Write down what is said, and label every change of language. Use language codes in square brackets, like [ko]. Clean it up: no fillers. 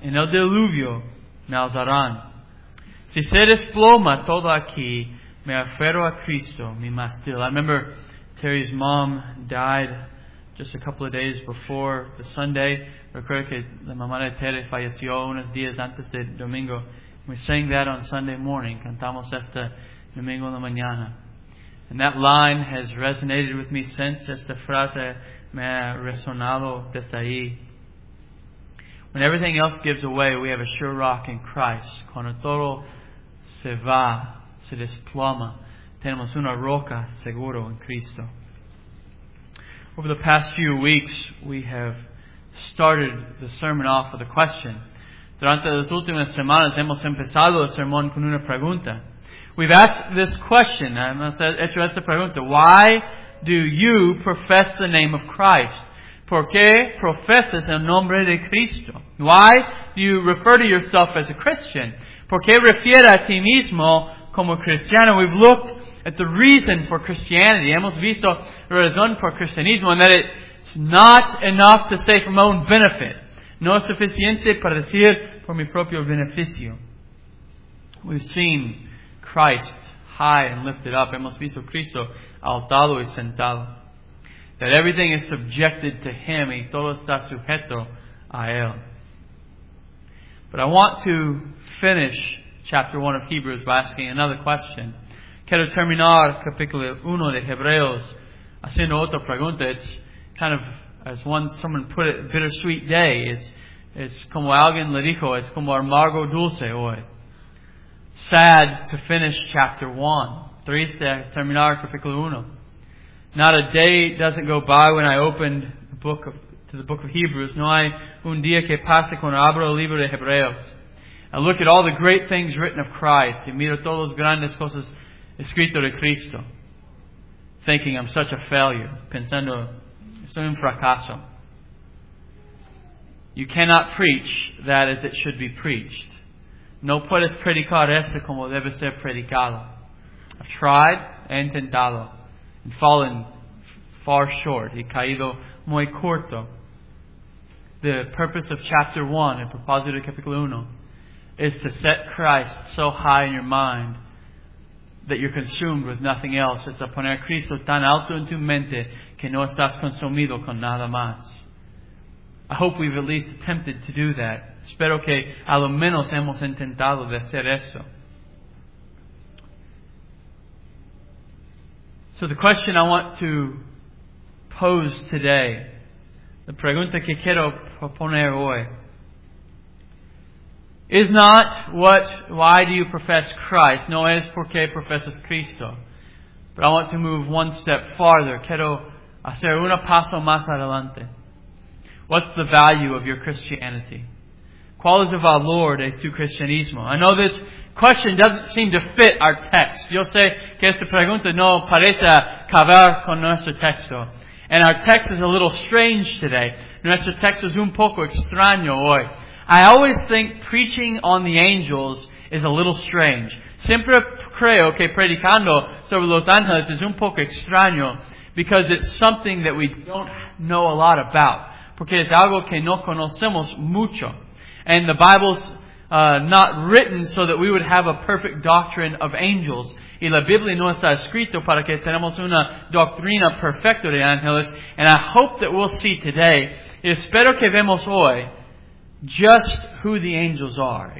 [es] En el diluvio me alzarán. Si se desploma todo aquí, me aferro a Cristo, mi mástil. [en] I remember Terry's mom died just a couple of days before the Sunday. [es] Recuerdo que la mamá de Terry falleció unos días antes del domingo. [en] We sang that on Sunday morning. [es] Cantamos este domingo en la mañana. [en] And that line has resonated with me since. [es] Esta frase me ha resonado desde ahí. [en] When everything else gives away, we have a sure rock in Christ. [es] Cuando todo se va, se desploma, tenemos una roca seguro en Cristo. [en] Over the past few weeks, we have started the sermon off with a question. [es] Durante las últimas semanas, hemos empezado el sermón con una pregunta. [en] We've asked this question, [es] hecho esta pregunta, [en] why do you profess the name of Christ? [es] ¿Por qué profesas el nombre de Cristo? [en] Why do you refer to yourself as a Christian? [es] ¿Por qué refieres a ti mismo como cristiano? [en] We've looked at the reason for Christianity. [es] Hemos visto la razón por cristianismo, [en] and that it's not enough to say for my own benefit. [es] No es suficiente para decir por mi propio beneficio. [en] We've seen Christ high and lifted up. [es] Hemos visto Cristo altado y sentado. [en] That everything is subjected to Him [es] y todo está sujeto a Él. [en] But I want to finish chapter 1 of Hebrews by asking another question. [es] Quiero terminar capítulo 1 de Hebreos haciendo otra pregunta. [en] It's kind of, as someone put it, a bittersweet day. [es] It's como alguien le dijo, es como amargo dulce hoy. [en] Sad to finish chapter 1. [es] Triste terminar capítulo 1. [en] Not a day doesn't go by when I open the book of Hebrews. [es] No hay un día que pase cuando abro el libro de Hebreos. [en] I look at all the great things written of Christ. [es] Y miro todas las grandes cosas escritas de Cristo. [en] Thinking I'm such a failure. [es] Pensando, soy un fracaso. [en] You cannot preach that as it should be preached. [es] No puedes predicar esto como debe ser predicado. [en] I've tried, [es] he intentado, [en] and fallen far short, [es] he caído muy corto. [en] The purpose of chapter 1, [es] el propósito de capítulo 1, [en] is to set Christ so high in your mind that you're consumed with nothing else. [es] Es a poner a Cristo tan alto en tu mente que no estás consumido con nada más. [en] I hope we've at least attempted to do that. [es] Espero que a lo menos hemos intentado de hacer eso. [en] So the question I want to pose today, the [es] pregunta que quiero proponer hoy, [en] is not why do you profess Christ, [es] no es por qué profesas Cristo. [en] But I want to move one step farther. [es] Quiero hacer un paso más adelante. [en] What's the value of your Christianity? [es] ¿Cuál es el valor de tu cristianismo? [en] I know this question doesn't seem to fit our [es] text. Yo sé que esta pregunta no parece caber con nuestro texto. [en] And our text is a little strange today. [es] Nuestro texto es un poco extraño hoy. [en] I always think preaching on the angels is a little strange. [es] Siempre creo que predicando sobre los ángeles es un poco extraño [en] because it's something that we don't know a lot about. [es] Porque es algo que no conocemos mucho. [en] And the Bible's not written so that we would have a perfect doctrine of angels. [es] Y la Biblia no está escrito para que tenemos una doctrina perfecta de ángeles. [en] And I hope that we'll see today, [es] espero que vemos hoy, [en] just who the angels are.